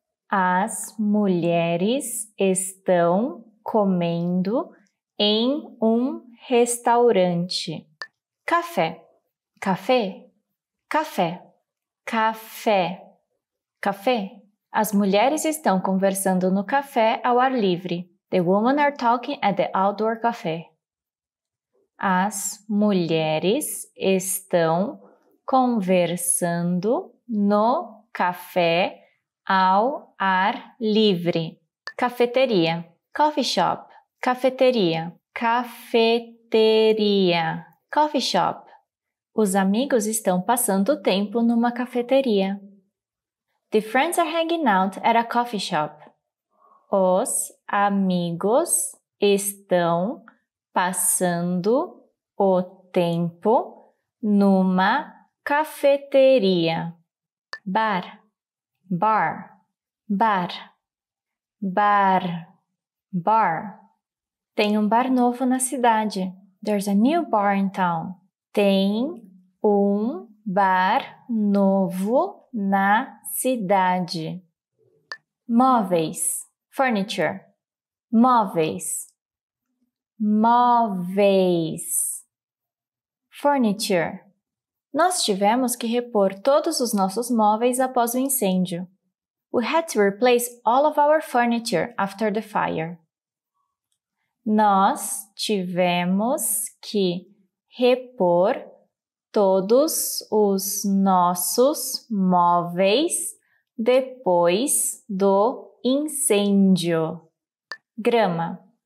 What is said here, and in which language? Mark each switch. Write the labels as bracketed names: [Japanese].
[Portuguese] As mulheres estão comendo em restaurante. Café. Café. Café. Café. Café. As mulheres estão conversando no café ao ar livre. [English] The women are talking at the outdoor café. [Portuguese] As mulheres estão conversando no café ao ar livre. Cafeteria. [English] Coffee shop. [Portuguese] Cafeteria. Cafeteria. [English] Coffee shop. [Portuguese] Os amigos estão passando tempo numa cafeteria. [English] The friends are hanging out at a coffee shop. [Portuguese] Os amigos estão passando o tempo numa cafeteria. Bar. Bar. Bar. Bar. Bar. Tem bar novo na cidade. [English] There's a new bar in town. [Portuguese] Tem bar novo na cidade. Móveis. [English] Furniture. [Portuguese] Móveis. Móveis. [English] Furniture. [Portuguese] Nós tivemos que repor todos os nossos móveis após o incêndio. [English] We had to replace all of our furniture after the fire. [Portuguese] Nós tivemos que repor todos os nossos móveis depois do incêndio. Grama.